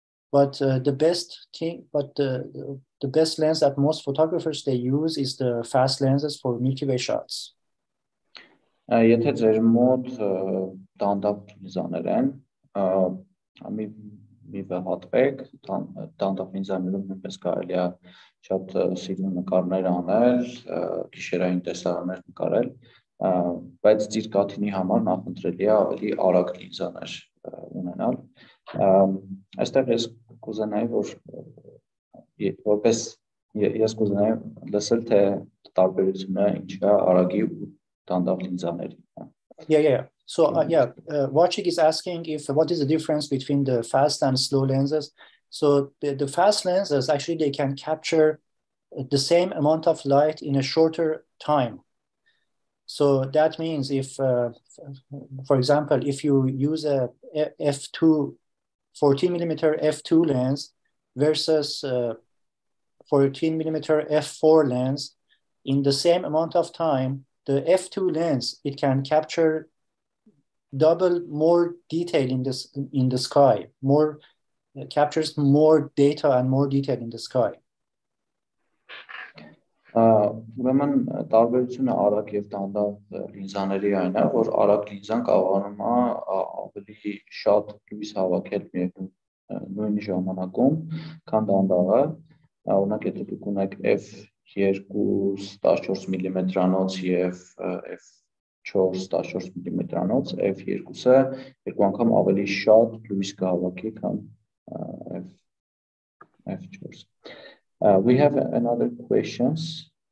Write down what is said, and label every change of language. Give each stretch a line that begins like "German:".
English: But the best lens that most photographers they use is the fast lenses for Milky Way shots.
Armenian: Եթե ձեր մոտ դանդաղ լինզաներ են, մի վհատվեք, դանդաղ լինզաներով նույնպես կարելի է շատ սիրուն նկարներ անել, գիշերային տեսարաններ նկարել, բայց ձեր կաթինի համար նախընտրելի է ավելի արագ լինզաներ ունենալ։ Այստեղ ես կուզենայի, որպես ես կուզենայի լսել, թե տարբերությունը ինչ է արագի ու դանդաղ լինզաների։
English: Vachik is asking if what is the difference between the fast and slow lenses. So the fast lenses, actually, they can capture the same amount of light in a shorter time. So that means if, for example, if you use a f2, 14 millimeter f2 lens versus 14 millimeter f4 lens, in the same amount of time, the F2 lens, it can capture double more detail in this in the sky, more it captures more data and more detail in the sky.
Armenian: Ուրեմն տարբերությունը արագ եւ դանդաղ լինզաների այն է, որ արագ լինզան կարողանում է ավելի շատ լույս հավաքել միևնույն ժամանակում, քան դանդաղը։ Օրինակ, եթե դուք ունեք F2 14 մմ-անոց եւ F4 14 մմ-անոց, F2-ը 2 անգամ ավելի շատ լույս կհավաքի, քան F4-ը։
English: We have another questions.